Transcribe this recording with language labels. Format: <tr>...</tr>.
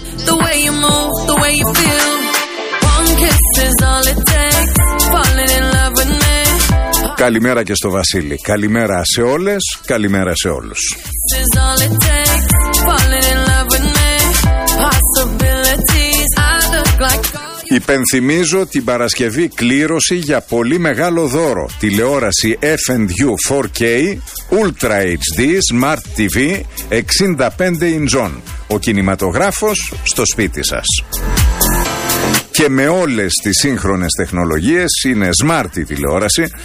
<en>The way you move, the way you feel. One kiss is all it takes. Falling in love with me.</en> <el>Καλημέρα και στο Βασίλη. Καλημέρα σε όλες, καλημέρα σε όλους.</el> <en>This is all it takes. Falling in love with me. Possibilities. I look like.</en> <el>Υπενθυμίζω την Παρασκευή κλήρωση για πολύ μεγάλο δώρο. Τηλεόραση F&U 4K Ultra HD Smart TV 65 ιντζών. Ο κινηματογράφος στο σπίτι σας. Και με όλες τις σύγχρονες τεχνολογίες είναι smart η τηλεόραση.</el>